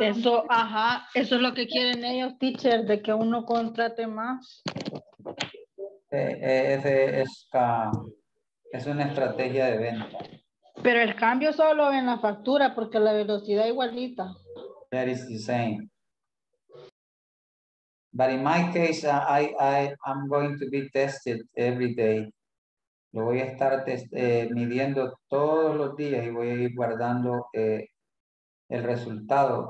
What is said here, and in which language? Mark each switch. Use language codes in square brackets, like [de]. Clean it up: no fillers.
[es] Eso es lo que quieren ellos, teacher, de que uno contrate más. Es una estrategia de venta. Pero el cambio solo en la factura, porque la velocidad igualita. [en] That is the same. But in my case, I'm going to be tested every day. [es] Lo voy a estar midiendo todos los días y voy a ir guardando el resultado.